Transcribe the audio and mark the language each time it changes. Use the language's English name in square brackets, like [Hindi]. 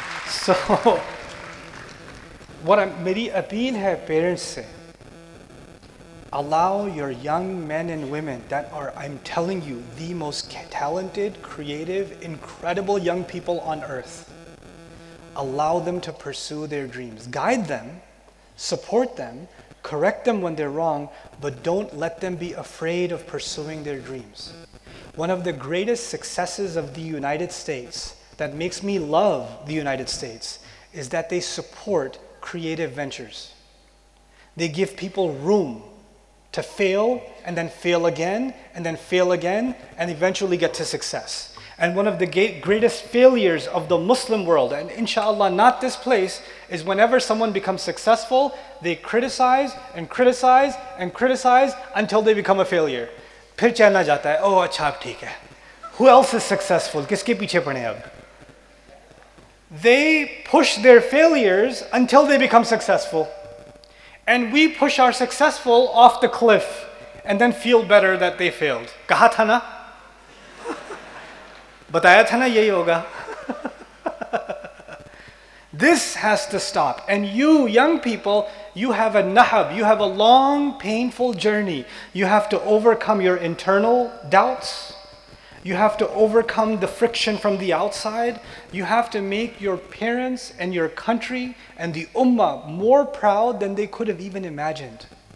[English] So میری appeal ہے parents سے, allow your young men and women that are, I am telling you, the most talented creative incredible young people on earth, allow them to pursue their dreams, guide them, support them, correct them when they're wrong, but don't let them be afraid of pursuing their dreams. One of the greatest successes of the United States that makes me love the United States is that they support creative ventures. They give people room to fail and then fail again and then fail again and eventually get to success. And one of the greatest failures of the Muslim world, and inshallah not this place, is whenever someone becomes successful, they criticize and criticize and criticize until they become a failure. [Urdu] Phir chalna jata hai, oh acha ab theek hai, [English] who else is successful, [Urdu] kiske piche padne ab. [English] They push their failures until they become successful, and we push our successful off the cliff and then feel better that they failed. [Urdu] Kaha tha na, بتایا تھا نا یہی ہوگا. [English] This has to stop. And you young people, you have a nahab, you have a long painful journey. You have to overcome your internal doubts, you have to overcome the friction from the outside, you have to make your parents and your country and the ummah more proud than they could have even imagined.